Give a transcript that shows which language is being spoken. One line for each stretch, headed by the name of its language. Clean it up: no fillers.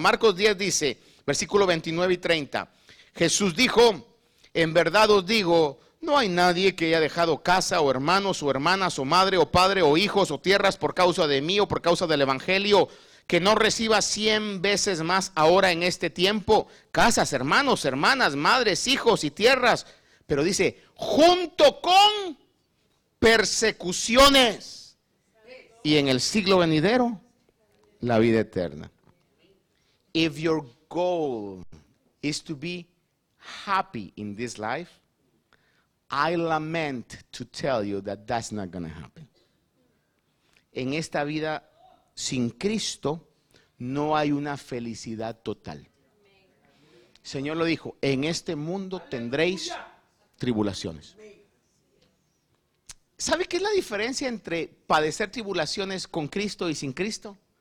Spanish: Marcos 10 dice, versículo 29 y 30, Jesús dijo, en verdad os digo, no hay nadie que haya dejado casa o hermanos o hermanas o madre o padre o hijos o tierras por causa de mí o por causa del evangelio, que no reciba 100 veces más ahora en este tiempo, casas, hermanos, hermanas, madres, hijos y tierras, pero dice, junto con persecuciones, y en el siglo venidero, la vida eterna.
English: If your goal is to be happy in this life, I lament to tell you that that's not going to happen.
Spanish: En esta vida sin Cristo, no hay una felicidad total. El Señor lo dijo, en este mundo tendréis tribulaciones. ¿Sabe qué es la diferencia entre padecer tribulaciones con Cristo y sin Cristo?